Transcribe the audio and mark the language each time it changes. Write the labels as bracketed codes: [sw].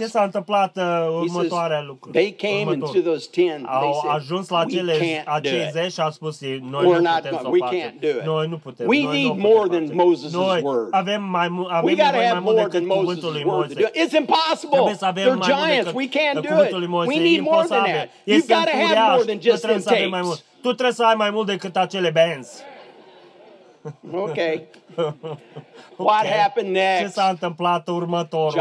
[ro] Ce s-a întâmplat următoarea lucru? [en] They came into those 10. [ro] Au ajuns la cele acei 10 și au spus noi nu putem să o facem. [en] We can't do it. [ro] Noi nu putem. [en] We need more than Moses' word. [ro] Noi avem mai mult decât cuvântul lui Moise. [en] It's impossible. They're giants. We can't do it. We need more than that. You've got to have more than just them tapes. [ro] Tu trebuie să ai mai mult decât acele bands. [en] Okay. What happened next? [ro] Ce s-a întâmplat următorul?